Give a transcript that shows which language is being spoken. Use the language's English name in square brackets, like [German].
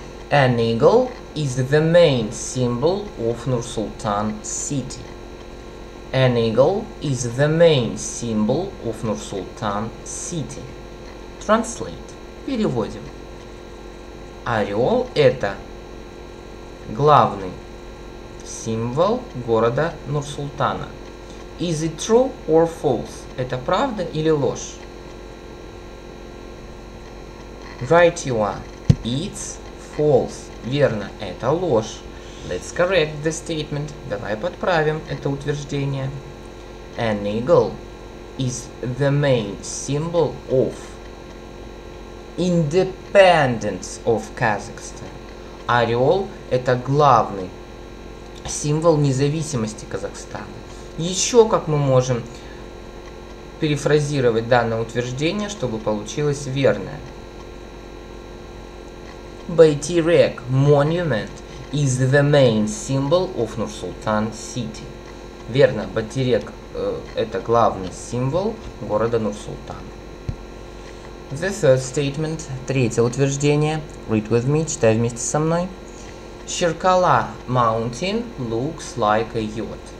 [English] An eagle is the main symbol of Nur-Sultan City. An eagle is the main symbol of Nur-Sultan City. Translate. [Russian] Переводим. Орел – это главный символ города Нур-Султана. [English] Is it true or false? [Russian] Это правда или ложь? [English] Right you are. It's false. [Russian] Верно, это ложь. [English] Let's correct the statement. [Russian] Давай подправим это утверждение. [English] An eagle is the main symbol of independence of Kazakhstan. [Russian] Орел – это главный символ независимости Казахстана. Еще как мы можем перефразировать данное утверждение, чтобы получилось верное. [English] Байтирек – monument. Is the main symbol of Nur-Sultan City. [Russian] Верно, Байтерек это главный символ города Нур-Султан. [English] The third statement. [Russian] Третье утверждение. [English] Read with me, [Russian] читай вместе со мной. [English] Shirkala Mountain looks like a yacht.